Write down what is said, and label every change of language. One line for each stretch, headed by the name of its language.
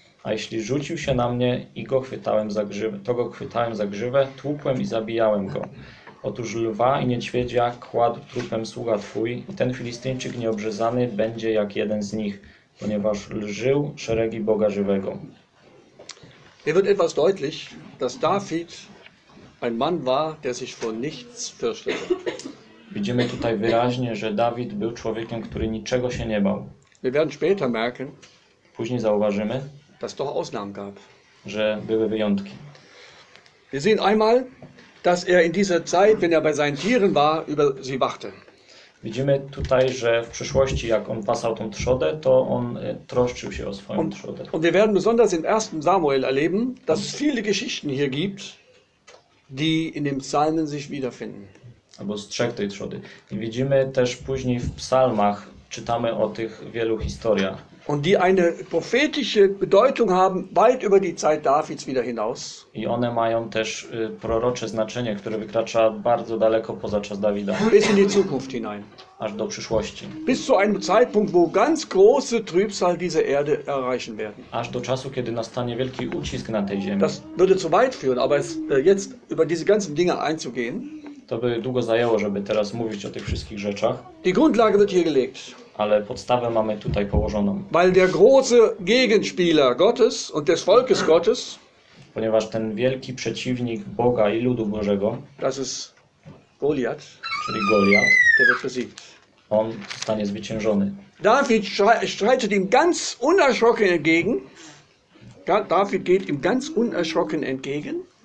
Polish: A jeśli rzucił się na mnie i go chwytałem za grzywę, to go chwytałem za grzywę, tłukłem i zabijałem go. Otóż lwa i niedźwiedzia kładł trupem sługa twój i ten Filistyńczyk nieobrzezany będzie jak jeden z nich, ponieważ lżył szeregi Boga żywego.
German: Hier wird etwas deutlich, dass David ein Mann war, der sich vor nichts fürchtete.
Polish: Widzimy tutaj wyraźnie, że Dawid był człowiekiem, który niczego się nie bał.
German: Wir werden später merken,
Polish: później zauważymy,
German: dass doch Ausnahmen gab.
Polish: Że były wyjątki.
German: Wir sehen einmal, dass in dieser Zeit, wenn bei seinen Tieren war, über sie wachte.
Polish: Widzimy tutaj, że w przyszłości, jak on pasał tą trzodę, to on troszczył się o swoją trzodę.
German: Und wir werden besonders in 1. Samuel erleben, dass es viele Geschichten hier gibt, die in den Psalmen sich wiederfinden.
Polish: Albo z trzech tej trzody. I widzimy też później w psalmach, czytamy o tych wielu historiach.
German: Und die eine prophetische Bedeutung haben weit über die Zeit Davids wieder hinaus.
Polish: I one mają też prorocze znaczenie, które wykracza bardzo daleko poza czas Dawida.
German: Bis in die Zukunft hinein.
Polish: Aż do przyszłości.
German: Bis zu einem Zeitpunkt, wo ganz große Trübsal diese Erde erreichen werden.
Polish: Aż do czasu, kiedy nastanie wielki ucisk na tej ziemi.
German: Das würde zu weit führen, aber jetzt über diese ganzen Dinge einzugehen.
Polish: To by długo zajęło, żeby teraz mówić o tych wszystkich rzeczach.
German: Die Grundlage wird hier gelegt.
Polish: Ale podstawę mamy tutaj położoną.
German: Weil der große Gegenspieler Gottes und des Volkes Gottes.
Polish: Ponieważ ten wielki przeciwnik Boga i ludu Bożego.
German: Das ist Goliath.
Polish: Czyli Goliath.
German: Der wird besiegt.
Polish: On zostanie zwyciężony.
German: David streitet ihm ganz unerschrocken entgegen. David geht ihm ganz unerschrocken entgegen.